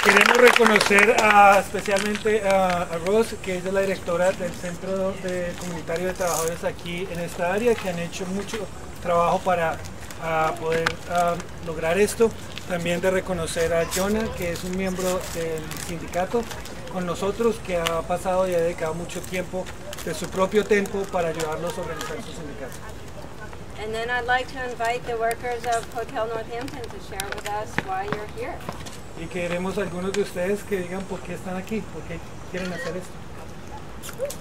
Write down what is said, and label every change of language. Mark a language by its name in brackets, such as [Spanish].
[Spanish] Queremos reconocer especialmente a Rose, que es la directora del Centro de Comunitario de Trabajadores aquí en esta área, que han hecho mucho trabajo para poder lograr esto. También de reconocer a Jonah, que es un miembro del sindicato con nosotros, que ha pasado y ha dedicado mucho tiempo de su propio tiempo para ayudarnos a organizar su sindicato. [English] And then I'd like to invite the workers of Hotel Northampton to share with us why you're here. [Spanish] Y queremos algunos de ustedes que digan por qué están aquí, por qué quieren hacer esto.